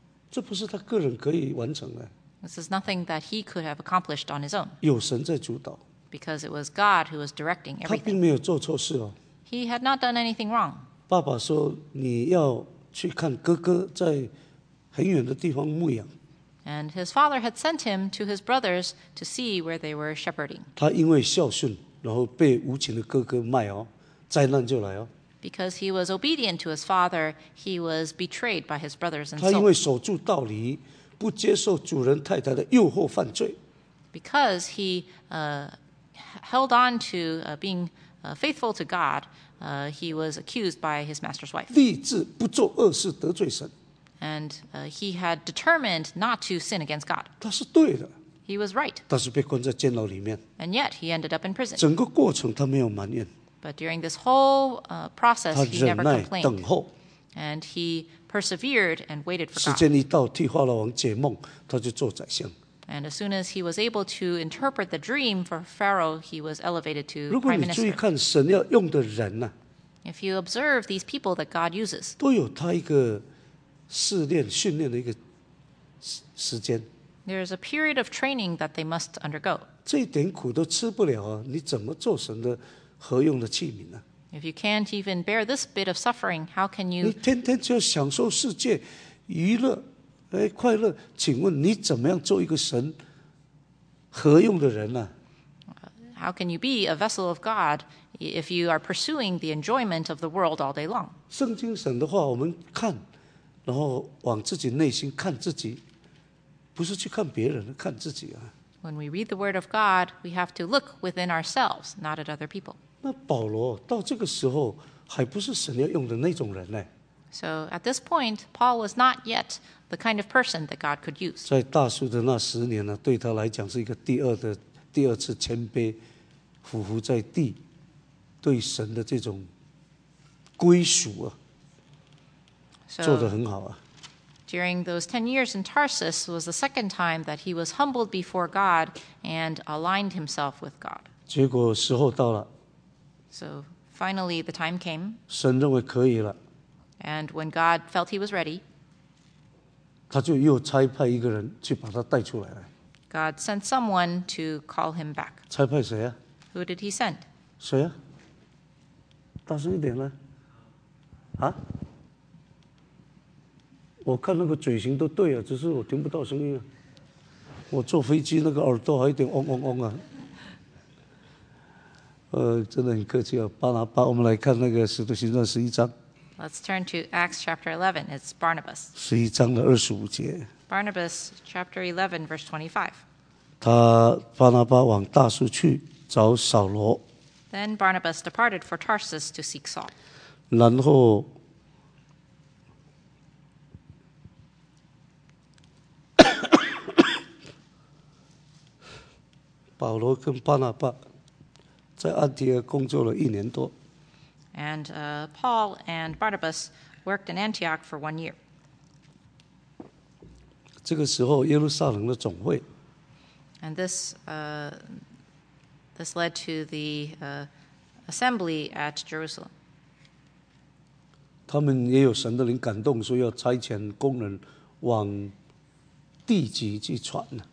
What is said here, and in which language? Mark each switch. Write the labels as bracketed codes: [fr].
[zh] 这不是他个人可以完成的。 [en] This is nothing that he could have accomplished on his own. [zh] 有神在主导。 [en] Because it was God who was directing everything. [zh] 他并没有做错事哦。 [en] He had not done anything wrong. [zh] 爸爸说你要去看哥哥在很远的地方牧养。 [en] And his father had sent him to his brothers to see where they were shepherding. [zh] 他因为孝顺，然后被无情的哥哥卖哦，灾难就来哦。 [en] Because he was obedient to his father, he was betrayed by his brothers and sold. [zh] 他因为守住道理，不接受主人太太的诱惑犯罪。 [en] Because he held on to being faithful to God, he was accused by his master's wife. [zh] 立志不做恶事得罪神。 [en] And he had determined not to sin against God. [zh] 他是对的。 [en] He was right. [zh] 但是被关在监牢里面。 [en] And yet he ended up in prison. [zh] 整个过程他没有埋怨。 [en] But during this whole process, he never complained. [zh] 他忍耐等候。 [en] And he persevered and waited for God. [zh] 时间一到，替法老王解梦，他就做宰相。 [en] And as soon as he was able to interpret the dream for Pharaoh, he was elevated to prime minister. [zh] 如果你注意看神要用的人呢、啊、 [en] ？If you observe these people that God uses, [zh] 都有他一个试炼训练的一个时间。 [en] There is a period of training that they must undergo. [zh] 这一点苦都吃不了啊，你怎么做神的合用的器皿呢、啊、 [en] ？If you can't even bear this bit of suffering, how can you? [zh] 你天天只要享受世界娱乐。哎，快乐！请问你怎么样做一个神合用的人呢、啊、 [en] ？How can you be a vessel of God if you are pursuing the enjoyment of the world all day long？ [zh] 圣经神的话，我们看，然后往自己内心看自己，不是去看别人，看自己啊。 [en] When we read the word of God, we have to look within ourselves, not at other people. [zh] 那保罗到这个时候还不是神要用的那种人呢？ [en] So at this point, Paul was not yet the kind of person that God could use. [zh] 在大树的那十年呢，对他来讲是一个第二次谦卑，俯伏在地，对神的这种归属啊，做得很好啊。 [en] During those 10 years in Tarsus was the second time that he was humbled before God and aligned himself with God. [zh] 结果时候到了。 [en] So finally, the time came. [zh] 神认为可以了。 [en] And when God felt he was ready, [zh] 他就又差派一个人去把他带出来了。 [en] God sent someone to call him back. [zh] 差派谁啊？ [en] Who did he send? [zh] 谁啊？大声一点呢？啊？我看那个嘴型都对啊，只是我听不到声音啊。我坐飞机那个耳朵还有点嗡嗡嗡啊。真的很客气啊，巴拿巴。我们来看那个《使徒行传》十一章。 [en] Let's turn to Acts chapter 11. It's Barnabas. [zh] 十一章的二十五节。 [en] Barnabas chapter 11 verse 25. [zh] 他巴拿巴往大树去找扫罗。 [en] Then Barnabas departed for Tarsus to seek Saul. [zh] 然后保罗跟巴拿巴在安提阿工作了一年多。 [en] And Paul and Barnabas worked in Antioch for 1 year. [zh] 这个时候，耶路撒冷的总会。 [en] And this led to the assembly at Jerusalem. [zh] 他们也有神的灵感动，说要差遣工人往地级去传。